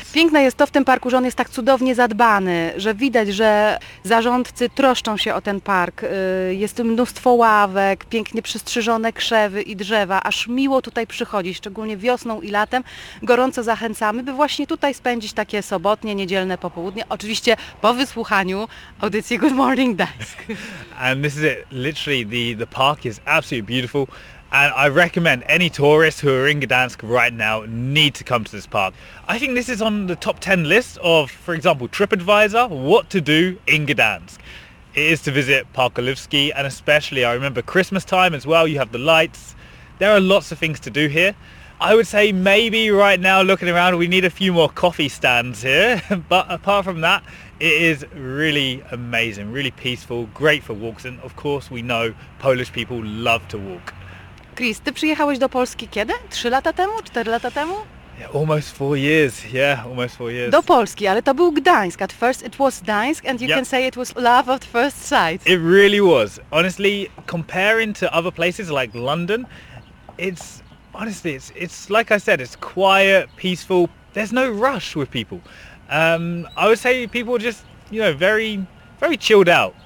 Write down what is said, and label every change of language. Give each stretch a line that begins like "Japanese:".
Polish: Piękne jest to w tym parku, że on jest tak cudownie zadbany, że widać, że zarządcy troszczą się o ten park. Jest mnóstwo ławek, pięknie przystrzyżone krzewy i drzewa. Aż miło tutaj przychodzić, szczególnie wiosną i latem. Gorąco zachęcamy, by właśnie tutaj spędzić takie sobotnie, niedzielne popołudnie. Oczywiście po wysłuchaniu audycji Good Morning Gdańsk.
English: And this is it. Literally, the park is absolutely beautiful. And I recommend any tourists who are in Gdansk right now need to come to this park. I think this is on the top 10 list of, for example, TripAdvisor, what to do in Gdansk. It is to visit Park Oliwski, and especially, I remember Christmas time as well, you have the lights. There are lots of things to do here. I would say maybe right now, looking around, we need a few more coffee stands here. But apart from that, it is really amazing, really peaceful, great for walks, and of course we know Polish people love to walk.
Polish: Chris, ty przyjechałeś do Polski kiedy? 3 lata temu? 4 lata temu?
English: Yeah, almost 4 years. Yeah, almost 4 years.
Polish: Do Polski, ale to był Gdańsk.
English: At first it was Gdańsk, and you yep. can say it was love at first sight. It really was. Honestly, comparing to other places like London, it's like I said, it's quiet, peaceful. There's no rush with people. I would say people are just, you know, very, very chilled out.